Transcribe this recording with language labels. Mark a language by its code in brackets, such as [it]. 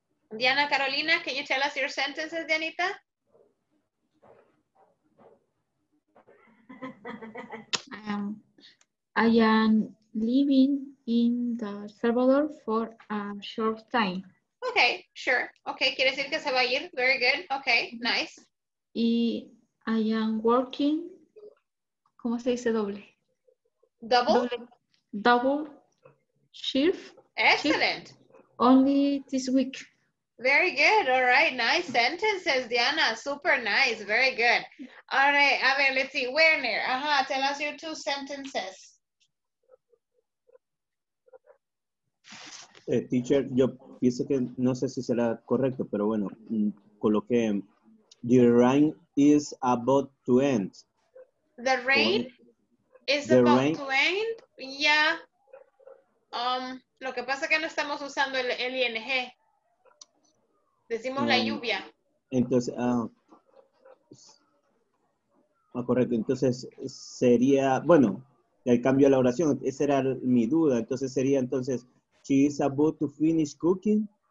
[en] Diana Carolina, can you tell us your sentences, Dianita? I am living in the Salvador for a short time. Okay, sure. [es] Okay, quiere decir que se va a ir. [en] Very good. Okay, nice. [es] Y [en] I am working. [es] ¿Cómo se dice doble? [en] Double shift. Excellent. Shift only this week. Very good. All right. Nice sentences, Diana. Super nice. Very good. All right. [es] A ver, [en] let's see. Werner. Ajá. Tell us your two sentences. [es] Teacher, yo pienso que no sé si será correcto, pero bueno, coloqué. [en] The rain is about to end. The rain is the about rain. To end. Yeah. [es] Lo que pasa es que no estamos usando el ing. Decimos la lluvia. Entonces, correcto. Entonces sería, bueno, el cambio a la oración. Esa era mi duda. Entonces sería, entonces, [en] she is about to finish cooking.